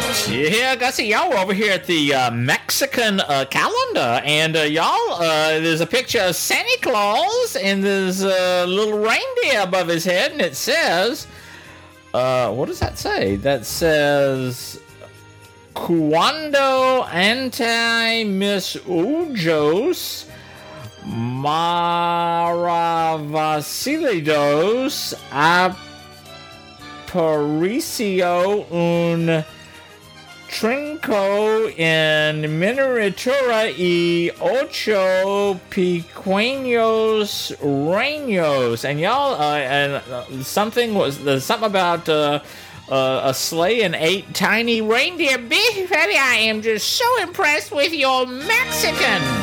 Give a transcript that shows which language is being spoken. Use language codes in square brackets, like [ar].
[en] Yeah, Gussie, y'all, we're over here at the Mexican calendar, and there's a picture of Santa Claus, and there's a little reindeer above his head, and it says, what does that say? That says, [es] Cuando ante mis ojos maravillados apareció un Trinco en miniatura y ocho pequeños reños. [en] And y'all, something about a sleigh and eight tiny reindeer. Big Fatty, I am just so impressed with your Mexican.